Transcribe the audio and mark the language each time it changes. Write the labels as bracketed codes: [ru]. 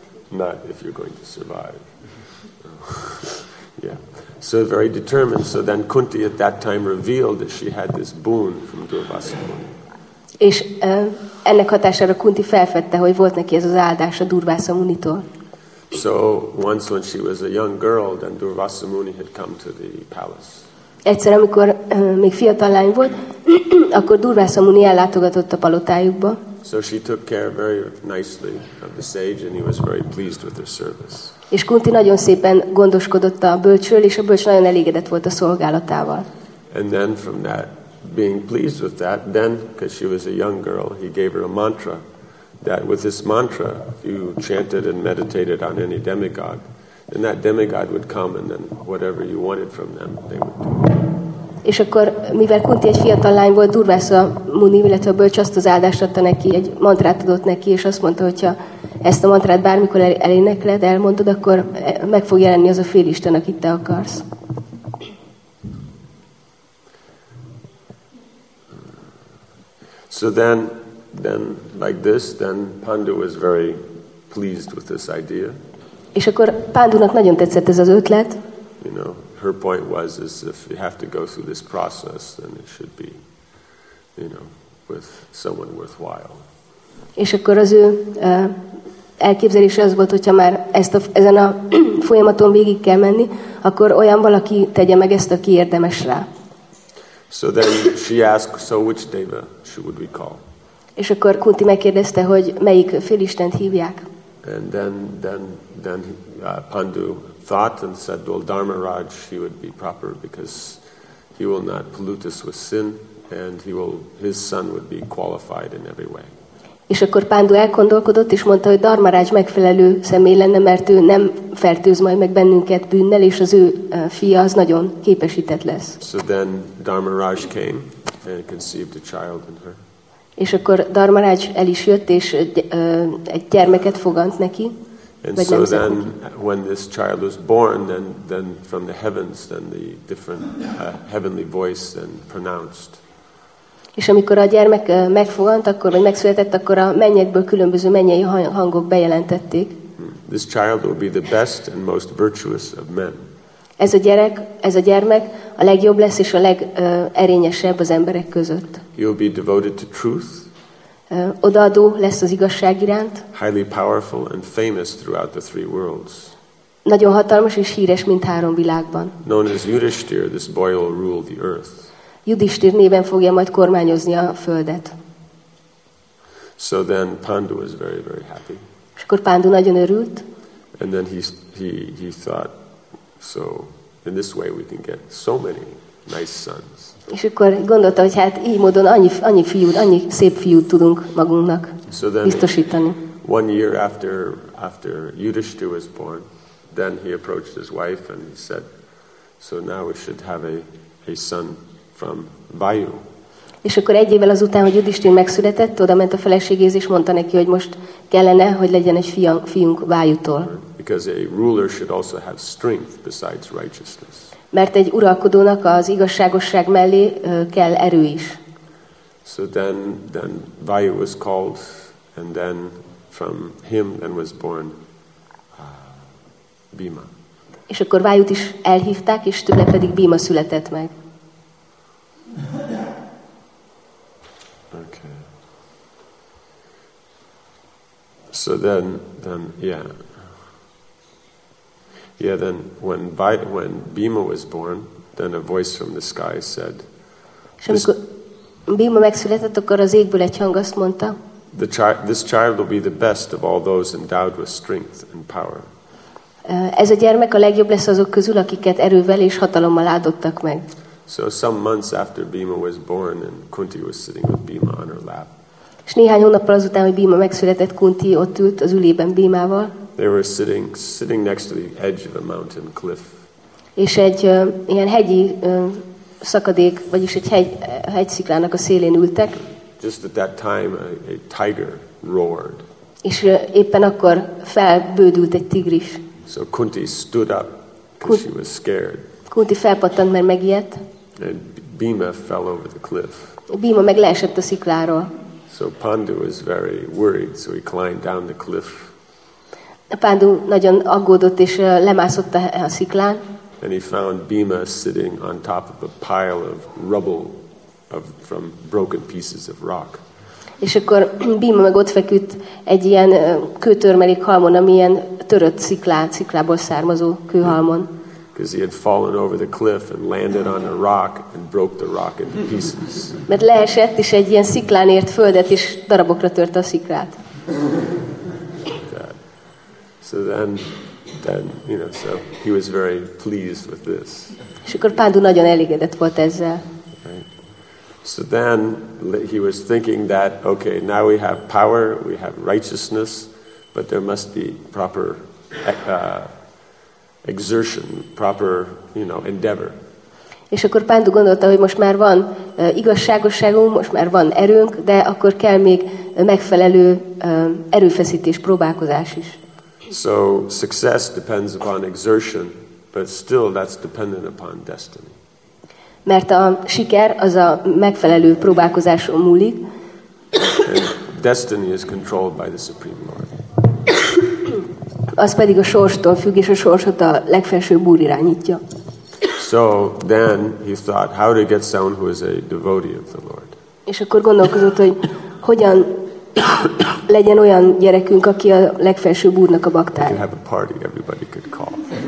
[en] Not if you're going to survive. Yeah. So very determined. So then Kunti at that time revealed that she had this boon from Durvasa Muni. [hu] És ennek hatására Kunti felfedte, hogy volt neki ez az áldás a Durvasa Munitól. [en] So once when she was a young girl, then Durvasa Muni had come to the palace. [hu] Egyszer, amikor még fiatal lány volt, akkor Durvasa Muni ellátogatott a palotájukba. [en] So she took care very nicely of the sage, and he was very pleased with her service. [hu] És Kunti nagyon szépen gondoskodott a bölcsről, és a bölcs nagyon elégedett volt a szolgálatával. [en] And then from that, being pleased with that, then, because she was a young girl, he gave her a mantra, that with this mantra, you chanted and meditated on any demigod, and that demigod would come, and then whatever you wanted from them, they would do. [hu] És akkor, mivel Kunti egy fiatal lány volt, Durvasa Muni, illetve a bölcs azt az áldást adta neki, egy mantrát adott neki, és azt mondta, hogyha ezt a mantrát bármikor elénekled, elmondod, akkor meg fog jelenni az a félisten, akit te akarsz. [en] So then like this, then Pandu was very pleased with this idea. [hu] És akkor Pandunak nagyon tetszett ez az ötlet. [en] You know, her point was is if you have to go through this process, then it should be, you know, with someone worthwhile. [hu] És akkor az ő elképzelése az volt, hogyha már ezen a folyamaton végig kell menni, akkor olyan valaki tegye meg ezt, aki érdemes rá. [en] So then she asked, so which deva should we call? [hu] És akkor Kunti megkérdezte, hogy melyik félistent hívják. [en] And then Pandu thought and said, well, Dharmaraj, he would be proper because he will not pollute us with sin, and his son would be qualified in every way. [hu] És akkor Pandu elgondolkodott, és mondta, hogy Dharmaraj megfelelő személy lenne, mert ő nem fertőz majd meg bennünket bűnnel, és az ő fia az nagyon képesített lesz. [en] So then Dharmaraj came and conceived a child in her. [hu] És akkor Dharmaraj el is jött, és egy gyermeket fogant neki. [en] And so then when this child was born, then from the heavens, then the different heavenly voice then pronounced. [hu] És amikor a gyermek megfogant, akkor vagy megszületett, akkor a mennyekből különböző mennyei hangok bejelentették. [en] This child will be the best and most virtuous of men. [hu] Ez a gyermek a legjobb lesz és a legerényesebb az emberek között. [en] He will be devoted to truth. [hu] Odaadó lesz az igazság iránt. [en] Highly powerful and famous throughout the three worlds. [hu] Nagyon hatalmas és híres mint három világban. [en] Known as Yudhishthir, this boy will rule the earth. [hu] Yudhishthir néven fogja majd kormányozni a földet. [en] So then Pandu was very, very happy. [hu] És akkor Pandu nagyon örült. [en] And then he thought, so in this way we can get so many nice sons. [hu] És akkor gondolta, hogy hát így módon annyi fiút, annyi szép fiút tudunk magunknak [en] so then [hu] biztosítani. [en] One year after Yudhishthir was born, then he approached his wife and he said, so now we should have a son from Vayu. [hu] És akkor egy évvel azután, hogy Yudhishthir megszületett, oda ment a feleségéhez és mondta neki, hogy most kellene, hogy legyen egy fiunk Vájútól. [en] Because a ruler should also have strength besides righteousness. [hu] Mert egy uralkodónak az igazságosság mellé kell erő is. [en] So then Vayu was called, and then from him then was born Bhima. [hu] És akkor Vájút is elhívták, és tőle pedig Bhima született meg. [en] Okay. So then yeah. Yeah, then when Bhima was born, then a voice from the sky said, [hu] Bhima megszületett, akkor az égből egy hang azt mondta, [en] this child will be the best of all those endowed with strength and power. [hu] Ez a gyermek a legjobb lesz azok közül, akiket erővel és hatalommal áldottak meg. [en] So some months after Bhima was born and Kunti was sitting with Bhima on her lap. [hu] És néhány hónappal azután, hogy Bhima megszületett, Kunti ott ült az ülében Bhimával. [en] They were sitting next to the edge of a mountain cliff. [hu] És egy ilyen hegyi szakadék, vagyis egy hegysziklának a szélén ültek. [en] Just at that time a tiger roared. [hu] És éppen akkor felbődült egy tigris. [en] So Kunti stood up because she was scared. [hu] Kunti felpattant, mert megijedt. [en] And Bhima fell over the cliff. [hu] Bhima meg leesett a szikláról. [en] So Pandu was very worried, so he climbed down the cliff. [hu] Pandu nagyon aggódott és lemászott a sziklán. [en] And he found Bhima sitting on top of a pile of rubble from broken pieces of rock. [hu] És akkor Bhima meg ott feküdt egy ilyen kőtörmelék halmon, ami ilyen törött sziklából származó kőhalmon. [en] Because he had fallen over the cliff and landed on a rock and broke the rock into pieces. [hu] Mert leesett és egy ilyen sziklán ért földet és darabokra törte a sziklát. [en] So then you know, so he was very pleased with this. [hu] És akkor Pándu nagyon elégedett volt ezzel. [en] So then he was thinking that okay, now we have power, we have righteousness, but there must be proper exertion, proper, you know, endeavor. [hu] És akkor Pándu gondolta, hogy most már van igazságosságunk, most már van erőnk, de akkor kell még megfelelő erőfeszítés, próbálkozás is. [en] So success depends upon exertion, but still that's dependent upon destiny. [hu] Mert a siker az a megfelelő próbálkozáson múlik. [en] And destiny is controlled by the Supreme Lord. [hu] Az pedig a sorstól függ, és a sorsot a legfelsőbb úr irányítja. [en] So then he thought, how to get someone who is a devotee of the Lord. [hu] És akkor gondolkozott, hogy hogyan legyen olyan gyerekünk, aki a legfelsőbb úrnak a baktár. [en] You have a party, everybody could call.